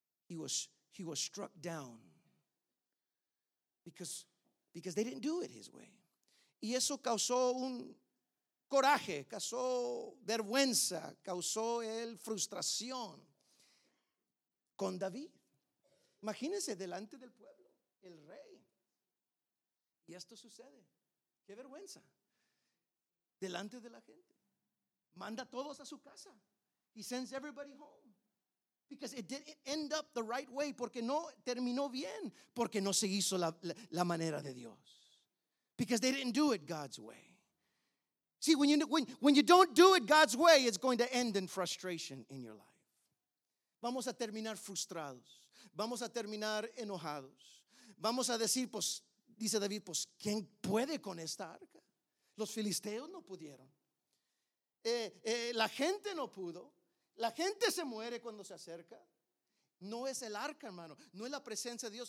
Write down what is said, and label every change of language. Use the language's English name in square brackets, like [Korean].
[English] He was struck down because they didn't do it his way. [Spanish] Y eso causó un coraje, causó vergüenza, causó él frustración con David. Imagínense delante del pueblo, el rey. Y esto sucede. Qué vergüenza. Delante de la gente. Manda a todos a su casa. [English] He sends everybody home. Because it didn't end up the right way. [Spanish] Porque no terminó bien. Porque no se hizo la manera de Dios. [English] Because they didn't do it God's way. See, when you don't do it God's way, it's going to end in frustration in your life. [Spanish] Vamos a terminar frustrados. Vamos a terminar enojados. Vamos a decir, pues, dice David, pues, ¿quién puede con esta arca? Los filisteos no pudieron. La gente no pudo. La gente se muere cuando se acerca. No es el arca, hermano. No es la presencia de Dios.